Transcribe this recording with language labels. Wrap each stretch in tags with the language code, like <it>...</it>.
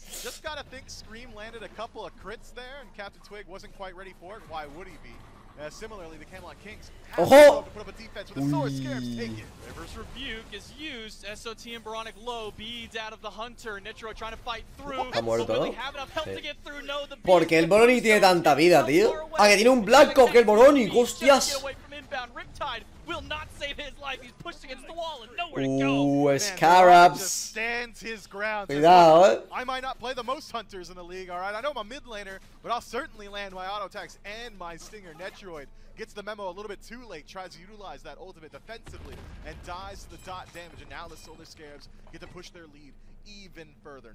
<en>Just got to think Scream landed a couple of crits there, and Captain Twig wasn't quite ready for it. Why would he be? Similarly, the Camelot Kings have to put up a defense with the Solar Scarabs taken. Reverse Rebuke is used. SOT and Baronic low. Beads out of the Hunter. Netro trying to fight through.</en> <es>¿Ha muerto?</es> <en>Don't really have enough health to get through. No, the</en> <es>¿por qué el Boroni tiene tanta vida, tío? Ah, que tiene un Black Cock el Boroni. ¡Hostias!</es> <en>Riptide will not save his life. He's pushed against the wall and nowhere to go. Scarabs. Man, just stands his ground.</en> <es>Cuidado.</es> <en>I might not play the most hunters in the league, all right? I know I'm a mid laner, but I'll certainly land my auto attacks and my stinger. Netroid gets the memo a little bit too late, tries to utilize that ultimate defensively, and dies to the dot damage. And now the Solar Scarabs get to push their lead even further.</en>